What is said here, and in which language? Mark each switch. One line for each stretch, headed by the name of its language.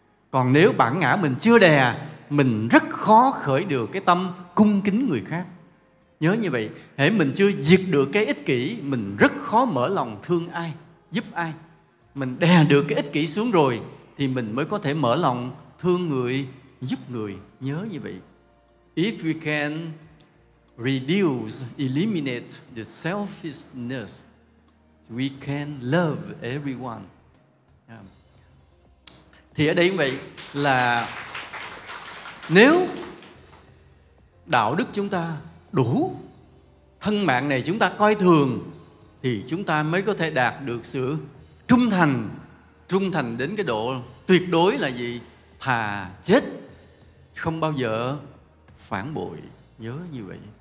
Vietnamese: Còn nếu bản ngã mình chưa đè, mình rất khó khởi được cái tâm cung kính người khác. Nhớ như vậy, hễ mình chưa diệt được cái ích kỷ, mình rất khó mở lòng thương ai, giúp ai. Mình đè được cái ích kỷ xuống rồi thì mình mới có thể mở lòng thương người, giúp người. Nhớ như vậy.
English: If we can reduce, eliminate the selfishness, we can love everyone.
Vietnamese: Thì ở đây như vậy là nếu đạo đức chúng ta đủ, thân mạng này chúng ta coi thường, thì chúng ta mới có thể đạt được sự trung thành. Trung thành đến cái độ tuyệt đối là gì? Thà chết không bao giờ phản bội. Nhớ như vậy.